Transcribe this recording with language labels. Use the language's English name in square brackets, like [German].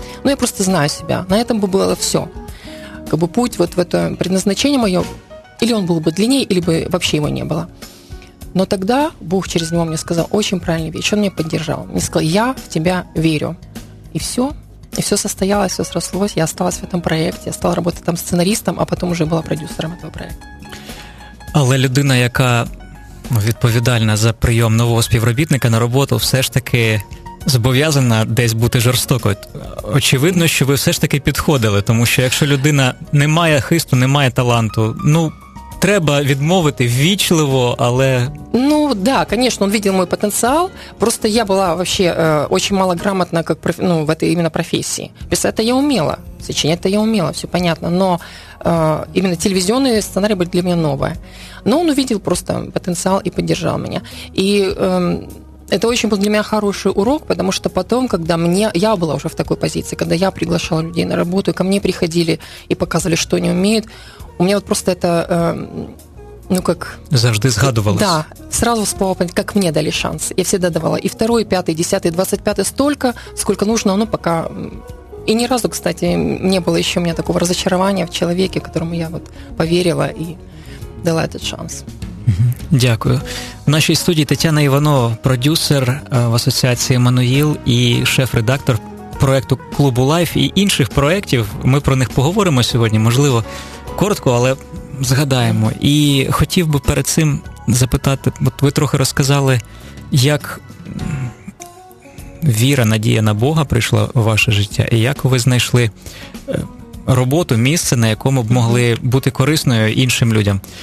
[Russian] Но я просто знаю себя. На этом бы было все. Как бы путь вот в это предназначение мое, или он был бы длиннее, или бы вообще его не было. Но тогда Бог через него мне сказал очень правильную вещь, он меня поддержал. Мне сказал, я в тебя верю. И все состоялось, все срослось, я осталась в этом проекте, я стала работать там сценаристом, а потом уже была продюсером этого проекта. [Ukrainian] Але людина, яка відповідальна за прийом нового співробітника на роботу, все ж таки зобов'язана десь бути жорстокою. Очевидно, що ви все ж таки підходили, тому що якщо людина не має хисту, не має таланту, ну, треба відмовити ввічливо, але... [Russian] Ну, да, конечно, он видел мой потенциал, просто я была вообще очень малограмотна как в этой именно профессии. Писать-то я умела, сочинять-то я умела, все понятно, но именно телевизионные сценарии были для меня новые. Но он увидел просто потенциал и поддержал меня. И это очень был для меня хороший урок, потому что потом, когда мне... Я была уже в такой позиции, когда я приглашала людей на работу, и ко мне приходили и показывали, что они умеют, у меня вот просто это, ну как... [Ukrainian] Завжди згадувалось. [Russian] Да, сразу вспомнил, как мне дали шанс. Я всегда давала и второй, и пятый, и десятый, и 25-й столько, сколько нужно, но пока... И ни разу, кстати, не было еще у меня такого разочарования в человеке, которому я вот поверила и дала этот шанс. [Ukrainian] Дякую. В нашій студії Тетяна Іванова, продюсер в асоціації «Еммануїл» і шеф-редактор проєкту «Клубу Лайф» і інших проєктів. Ми про них поговоримо сьогодні, можливо, коротко, але згадаємо. І хотів би перед цим запитати, от ви трохи розказали, як віра, надія на Бога прийшла в ваше життя, і як ви знайшли роботу, місце, на якому б могли бути корисною іншим людям.